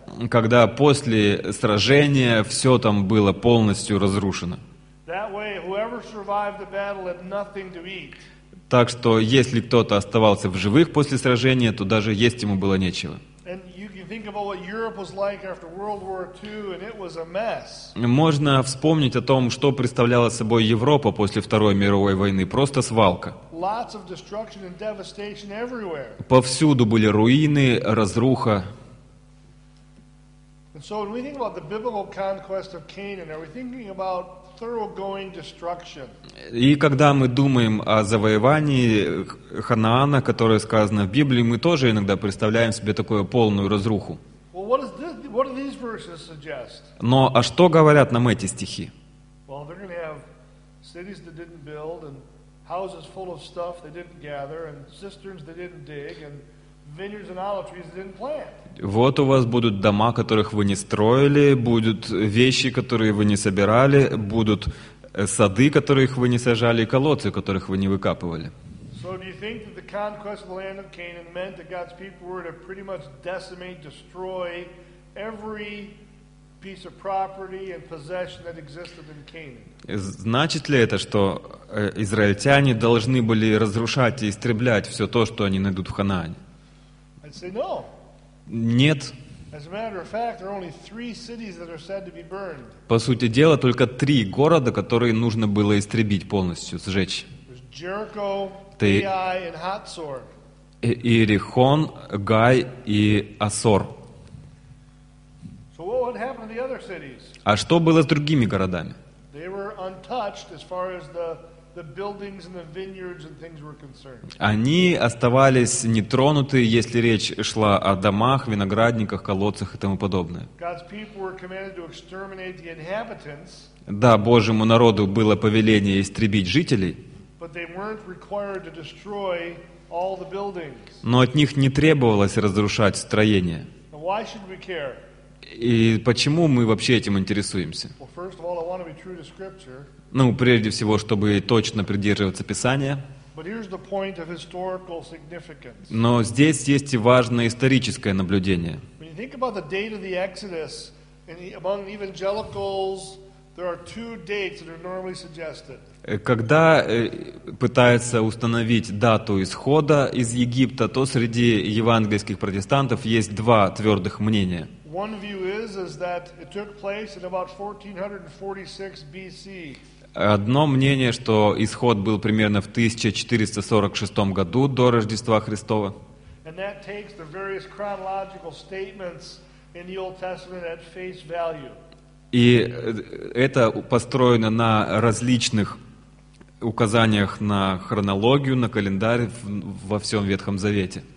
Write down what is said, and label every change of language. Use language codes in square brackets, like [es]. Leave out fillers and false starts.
[ru] Когда после сражения все там было полностью разрушено. [en] That way, whoever survived the battle had nothing to eat. [ru] Так что, если кто-то оставался в живых после сражения, то даже есть ему было нечего. [en] And you can think about what Europe was like after World War II, and it was a mess. [ru] Можно вспомнить о том, что представляла собой Европа после Второй мировой войны. Просто свалка. [en] Lots of destruction and devastation everywhere. [ru] Повсюду были руины, разруха. [en] And so, when we think about the biblical conquest of Canaan, are we thinking about thoroughgoing destruction? [ru] И когда мы думаем о завоевании Ханаана, которое сказано в Библии, мы тоже иногда представляем себе такую полную разруху. [en] Well, what do these verses suggest? [ru] Но а что говорят нам эти стихи? [en] Well, they're going to have cities that didn't build, and houses full of stuff they didn't gather, and cisterns they didn't dig, and vineyards and olive trees they didn't plant. [ru] Вот у вас будут дома, которых вы не строили, будут вещи, которые вы не собирали, будут сады, которых вы не сажали, и колодцы, которых вы не выкапывали. [en] So do you think that the conquest of the land of Canaan meant that God's people were to pretty much decimate, destroy every piece of property and possession that existed in Canaan? [ru] Значит ли это, что израильтяне должны были разрушать и истреблять все то, что они найдут в Ханаане? [en] I'd say no. [ru] Нет. [en] As a matter of fact, there are only three cities that are said to be burned. [ru] По сути дела, только три города, которые нужно было истребить полностью, сжечь. [en] There's Jericho, [ru] ты [en] Ai, and Hazor. [ru] Иерихон, Гай и Асор. [en] So what would happen to the other cities? [ru] А что было с другими городами? [en] They were untouched as far as the buildings and the vineyards and things were concerned. [ru] Они оставались нетронуты, если речь шла о домах, виноградниках, колодцах и тому подобное. [en] God's people were commanded to exterminate the inhabitants. [ru] Да, Божьему народу было повеление истребить жителей. [en] But they weren't required to destroy all the buildings. [ru] Но от них не требовалось разрушать строения. [en] Now why should we care? [ru] И почему мы вообще этим интересуемся? [en] Well, first of all, I want to be true to scripture. [ru] Ну, прежде всего, чтобы точно придерживаться Писания. [en] But here's the point of historical significance. [ru] Но здесь есть и важное историческое наблюдение. [en] When you think about the date of the Exodus, among evangelicals, there are two dates that are normally suggested. [ru] Когда пытаются установить дату исхода из Египта, то среди евангельских протестантов есть два твердых мнения. [en] One view is that it took place in about 1446 BC. [ru] Одно мнение, что исход был примерно в 1446 году до Рождества Христова. [en] And that takes the various chronological statements in the Old Testament at face value. [ru] И это построено на различных указаниях на хронологию, на календарь во всем Ветхом Завете.